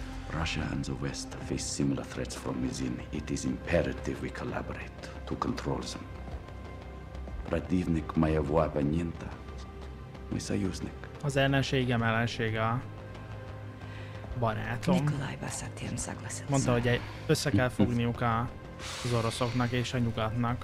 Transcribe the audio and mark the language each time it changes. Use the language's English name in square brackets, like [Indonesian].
[English] Russia and the West face similar threats from within. It is imperative we collaborate to control them. [Russian] Противник моего оппонента, мой союзник. [Hungarian] Az ellenségem ellensége. Barátom. Nikolai Basatyan Zaglasic. Mondta, hogy össze kell fogniuk az oroszoknak és a nyugatnak.